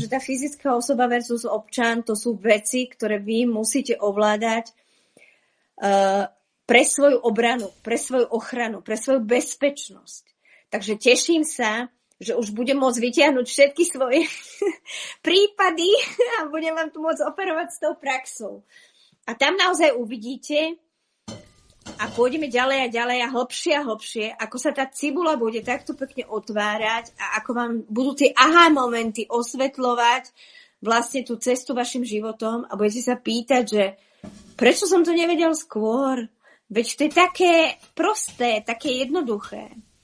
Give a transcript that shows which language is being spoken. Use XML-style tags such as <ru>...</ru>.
<cs>Protože ta fyzická osoba versus občan, to jsou věci, které vy musíte ovládat</cs> <sk>pre svoju obranu, pre svoju ochranu, pre svoju bezpečnosť. Takže teším sa, že už budem môcť vytiahnuť všetky svoje prípady a budem vám tu môcť operovať s tou praxou. A tam naozaj uvidíte a pôjdeme ďalej a ďalej a hlbšie, ako sa tá cibula bude takto pekne otvárať a ako vám budú tie aha momenty osvetľovať vlastne tú cestu vašim životom a budete sa pýtať, že prečo som to nevedel skôr? Veď to je také prosté, také jednoduché.</sk>